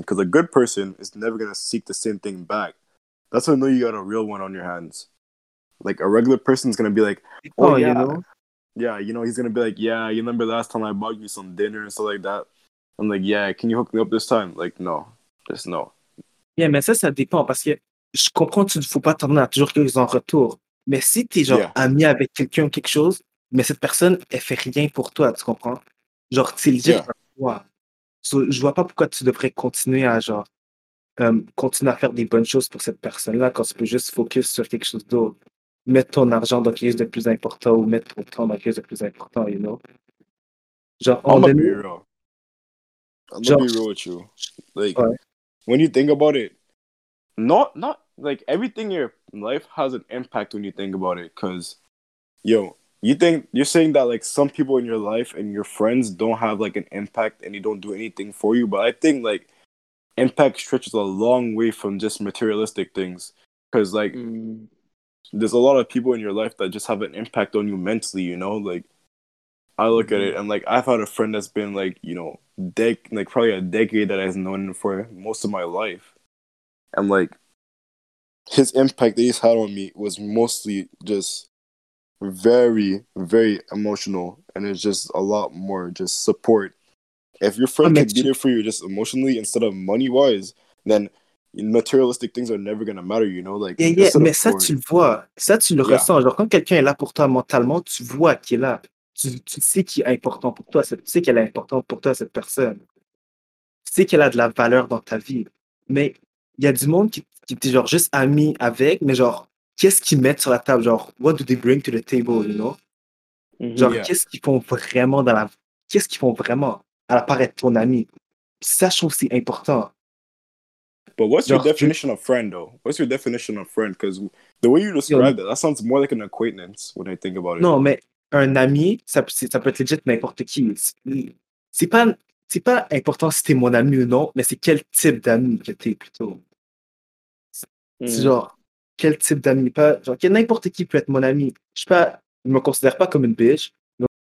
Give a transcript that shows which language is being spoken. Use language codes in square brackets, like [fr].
[en] Because a good person is never going to seek the same thing back. That's when I know you got a real one on your hands. Like, a regular person is going to be like, oh, yeah. Yeah, you know, he's going to be like, yeah, you remember last time I bought you some dinner and stuff like that? I'm like, yeah, can you hook me up this time? Like, no. Just no. [fr] Yeah, mais ça, ça dépend. Parce que je comprends que tu ne faut pas t'en à toujours quelque chose en retour. Mais si tu es, genre, ami avec quelqu'un ou quelque chose, mais cette personne, elle fait rien pour toi, tu comprends? Genre, tu le dis. Wow. So, je vois pas pourquoi tu devrais continuer à genre continuer à faire des bonnes choses pour cette personne-là quand tu peux juste focus sur quelque chose d'autre. Mettre ton argent dans quelque chose de plus important ou mettre ton temps dans quelque chose de plus important, [en] you know? [fr] Genre, [en] I'm gonna be real. I'm gonna be real with you. Like, when you think about it, not like everything in your life has an impact when you think about it, because yo. You think you're saying that like some people in your life and your friends don't have like an impact and they don't do anything for you, but I think like impact stretches a long way from just materialistic things, because like there's a lot of people in your life that just have an impact on you mentally, you know? Like I look at it and like I've had a friend that's been like, you know, probably a decade that I've known for most of my life, and like his impact that he's had on me was mostly just very, very emotional, and it's just a lot more just support. If your friend can be there for you just emotionally instead of money wise, then materialistic things are never gonna matter, you know? Like, [fr] yeah, yeah, mais ça, tu le vois, ça, tu le ressens. Genre, quand quelqu'un est là pour toi mentalement, tu vois qu'il est là, tu sais qu'il est important pour toi, tu sais qu'elle est importante pour toi, cette personne, tu sais qu'elle a de la valeur dans ta vie. Mais il y a du monde qui t'es genre juste ami avec, mais genre. Qu'est-ce qu'ils mettent sur la table? [en] Genre, what do they bring to the table, you know? [fr] Genre, qu'est-ce qu'ils font vraiment dans la... Qu'est-ce qu'ils font vraiment à la part être ton ami? Ça, je trouve, c'est important. [en] But what's your definition of friend, though? What's your definition of friend? Because the way you describe it, that sounds more like an acquaintance when I think about it. [fr] Non, mais un ami, ça peut être legit n'importe qui. C'est pas important si t'es mon ami ou non, mais c'est quel type d'ami que t'es, plutôt. C'est genre... Quel type d'ami? Pas, genre, n'importe qui peut être mon ami. Je ne me considère pas comme une biche. Donc...